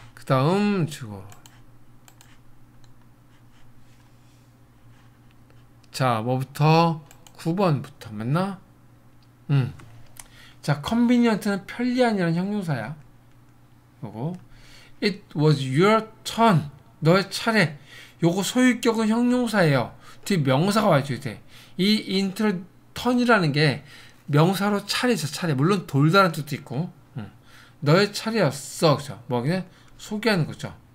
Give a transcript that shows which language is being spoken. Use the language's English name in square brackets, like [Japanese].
[Korean] 다음 주고 자 뭐부터 9번부터 맞나? 자 convenient는 편리한이라는 형용사야. 그리고 [English] it was your turn [Korean] 너의 차례. 요거 소유격은 형용사예요. 뒤 명사가 와줘야 돼. 이 intro turn이라는 게 명사로 차례죠. 차례. 물론 돌다란 뜻도 있고. 너의 차례였어. 그죠? 뭐 그냥 소개하는 거죠.